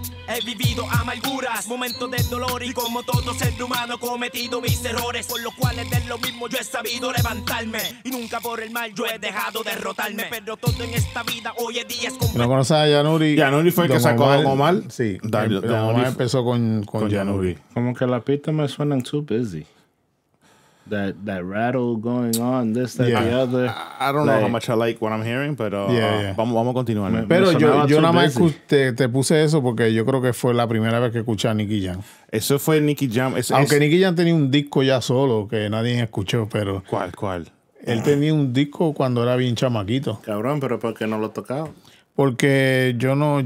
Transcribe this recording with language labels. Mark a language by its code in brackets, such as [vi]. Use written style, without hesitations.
[es] He vivido amarguras, momentos de dolor y como todo ser humano he cometido mis errores, por lo cual de lo mismo yo he sabido levantarme y nunca por el mal yo he dejado derrotarme, pero todo en esta vida hoy en día es como... ¿No conoces a Yanuri? ¿Yanuri fue el que sacó algo mal? Sí, Don Omar empezó con Yanuri. Como que las pistas me suenan [en] too busy. That rattle going on, this, that, yeah. The other. I don't know how much I like what I'm hearing, but [es] vamos a continuar. Pero yo nada más te puse eso porque yo creo que fue la primera vez que escuché a Nicky Jam. Eso fue Nicky Jam. Nicky Jam tenía un disco ya solo que nadie escuchó, pero... ¿Cuál? Él tenía un disco cuando era bien chamaquito. Cabrón, pero ¿por qué no lo tocaba? Porque yo no...